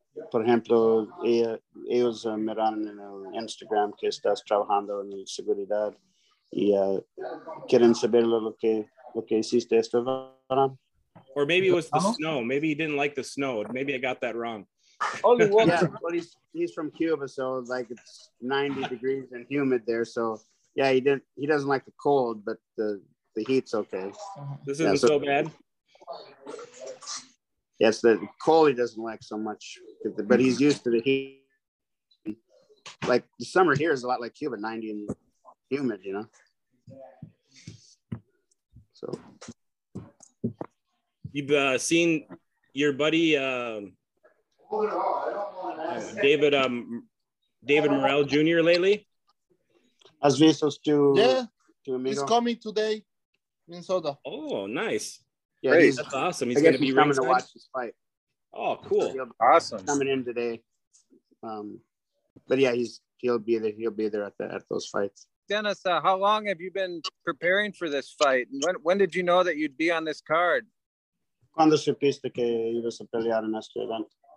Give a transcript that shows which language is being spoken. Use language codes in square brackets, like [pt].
[es] Por ejemplo, ellos me dan en el Instagram que estás trabajando en seguridad y quieren saber lo que hiciste este verano. [en] Or maybe it was the snow. Maybe he didn't like the snow. Maybe I got that wrong. Only one. Yeah, but he's from Cuba, so like it's 90 degrees and humid there. So yeah, he doesn't like the cold, but the heat's okay. This isn't so bad. Yes, the cold he doesn't like so much, but he's used to the heat. Like the summer here is a lot like Cuba, 90 and humid, you know? So. You've seen your buddy, David Morrell Jr. lately? [es] Has visto to [en] amigo? Yeah, he's coming today, Minnesota. Oh, nice. Yeah, that's awesome. He's going to be coming to watch this fight. Oh, cool. Awesome. Coming in today. But yeah, he'll be there at those fights. Dennys, how long have you been preparing for this fight? When did you know that you'd be on this card? [es] Cuando supiste que ibas a pelear en este evento.